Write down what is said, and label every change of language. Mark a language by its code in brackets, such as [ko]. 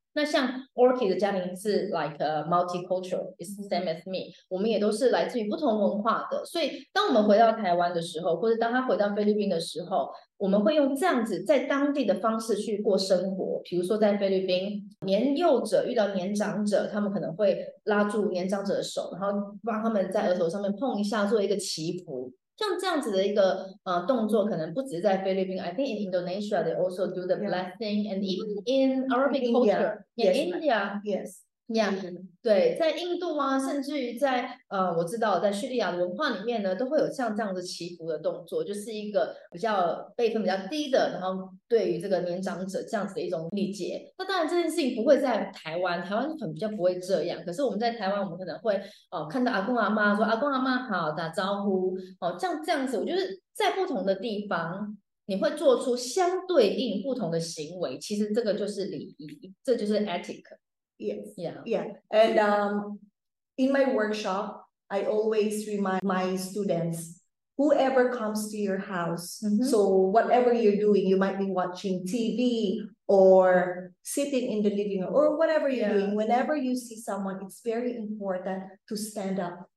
[zh] 那像 Orky 的家庭是 [en] like multicultural， it's the same as me， [zh] 我们也都是来自于不同文化的，所以当我们回到台湾的时候，或者当他回到菲律宾的时候，我们会用这样子在当地的方式去过生活。比如说在菲律宾，年幼者遇到年长者，他们可能会拉住年长者的手，然后帮他们在额头上面碰一下，做一个祈福。像这样子的一个动作，可能不只是在菲律宾 ， [en] I think in Indonesia they also do the blessing、 yeah. and even in Arabic in culture in India, yes, [zh] yeah, 对，在印度啊，甚至于在我知道在叙利亚的文化里面呢，都会有像这样子祈福的动作，就是一个比较辈分比较低的，然后对于这个年长者这样子的一种礼节。那当然这件事情不会在台湾可能比较不会这样，可是我们在台湾，我们可能会看到阿公阿妈说阿公阿妈好，打招呼这样子，我觉得在不同的地方，你会做出相对应不同的行为，其实这个就是礼仪，这就是 etiquette。 [en] Yes. Yeah. Yeah. And in my workshop, I always remind my students, whoever comes to your house, so whatever you're doing, you might be watching TV or sitting in the living room or whatever you're doing, whenever you see someone, it's very important to stand up.